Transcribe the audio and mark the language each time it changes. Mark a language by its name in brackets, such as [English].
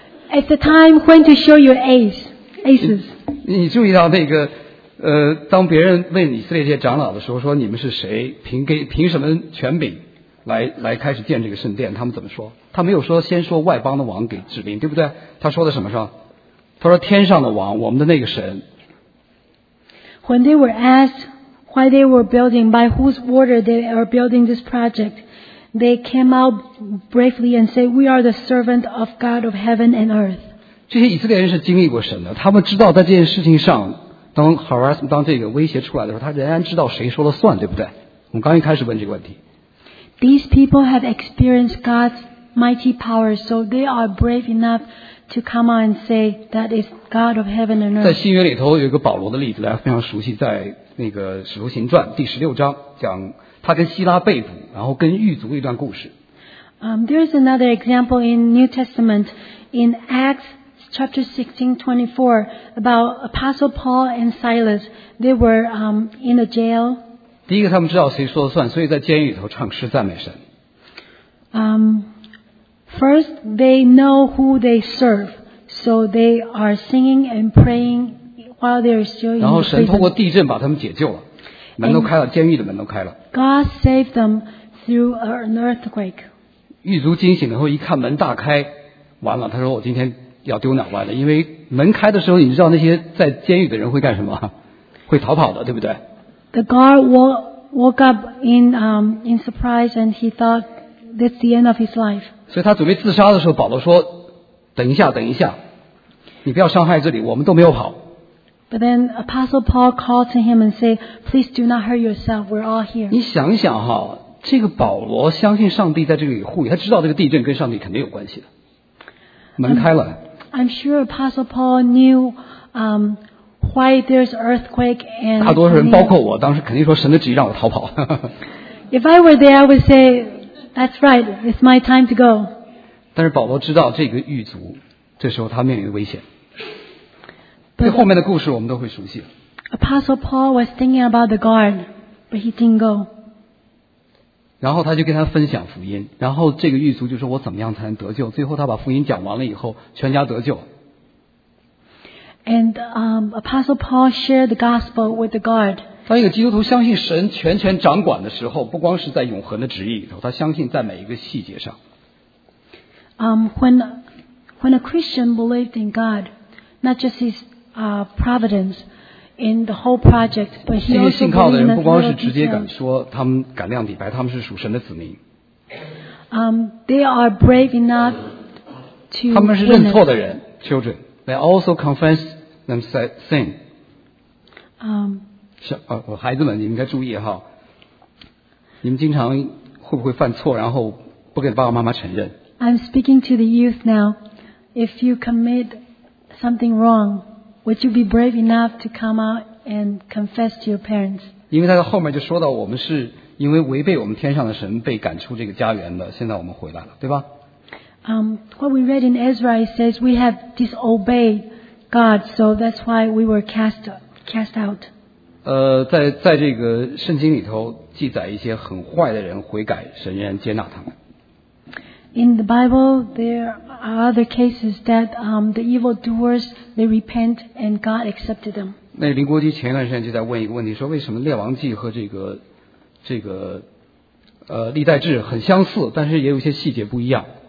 [English] At the time when to show your aces. [Chinese] 你注意到那个当别人问以色列这些长老的时候，说你们是谁，凭什么权柄来开始建这个圣殿，他们怎么说？他没有说先说外邦的王给指令，对不对？他说的什么是？他说天上的王，我们的那个神。 [English] When they were asked why they were building, by whose order they are building this project, they came out bravely and said, we are the servant of God of heaven and earth. [Chinese] 这些以色列人是经历过神的，他们知道在这件事情上，当 harassment 当这个威胁出来的时候，他仍然知道谁说了算，对不对？我们刚一开始问这个问题。 [English] These people have experienced God's mighty power, so they are brave enough to come out and say that is God of heaven and earth. [Chinese] 在新约里头有一个保罗的例子，大家非常熟悉，在那个《使徒行传》第十六章，讲他跟希拉被捕，然后跟狱卒一段故事。 [English] There's another example in New Testament in Acts. Chapter 16:24 about Apostle Paul and Silas. They were in the jail. [Chinese] 第一个，他们知道谁说了算，所以在监狱里头唱诗赞美神。 [English] First, they know who they serve, so they are singing and praying while they are still in prison. [Chinese] 然后神通过地震把他们解救了，门都开了，监狱的门都开了。 [English] God saved them through an earthquake. [Chinese] 狱卒惊醒了后一看门大开，完了，他说我今天。要丢脑袋的，因为门开的时候，你知道那些在监狱的人会干什么？会逃跑的，对不对 [English] ？The guard woke up in surprise and he thought that's the end of his life. [Chinese] 所以他准备自杀的时候，保罗说：“等一下，等一下，你不要伤害这里，我们都没有跑。 [English] ”But then Apostle Paul called to him and said, "Please do not hurt yourself. We're all here." [Chinese] 你想一想哈，这个保罗相信上帝在这里护佑，他知道这个地震跟上帝肯定有关系的。门开了。 [English] I'm sure Apostle Paul knew why there's earthquake and. [Chinese] 大多数人，包括我，当时肯定说神的旨意让我逃跑。 [English] If I were there, I would say, "That's right, it's my time to go." [Chinese] 但是保罗知道这个狱卒，这时候他面临危险。对后面的故事我们都会熟悉。 [English] Apostle Paul was thinking about the guard, but he didn't go. [Chinese] 然后他就跟他分享福音，然后这个狱卒就说我怎么样才能得救，最后他把福音讲完了以后全家得救。 [English] And Apostle Paul shared the gospel with the guard. [Chinese] 当一个基督徒相信神全权掌管的时候，不光是在永恒的旨意里头，他相信在每一个细节上。 [English] When a Christian believed in God, not just his providenceIn the whole project, but he also believed in the little details. [Chinese] 不光是直接敢说，他们敢亮底牌，他们是属神的子民。 [English] They are brave enough to. [Chinese] 他们是认错的人 ，children. [English] They also confess themselves sin. [Chinese] 孩子们，你们应该注意哈。你们经常会不会犯错，然后不给爸爸妈妈承认 [English] ？I'm speaking to the youth now. If you commit something wrong. Would you be brave enough to come out and confess to your parents? [Chinese] 因为他在后面就说到，我们是因为违背我们天上的神被赶出这个家园的，现在我们回来了，对吧？ [English] What we read in Ezra says we have disobeyed God, so that's why we were cast out. [Chinese] 在这个圣经里头记载一些很坏的人悔改，神仍然接纳他们。 [English] In the Bible, there are other cases that the evildoers they repent and God accepted them. [Chinese] 那林国基前一段时间就在问一个问题，说为什么列王记和这个历代志很相似，但是也有一些细节不一样。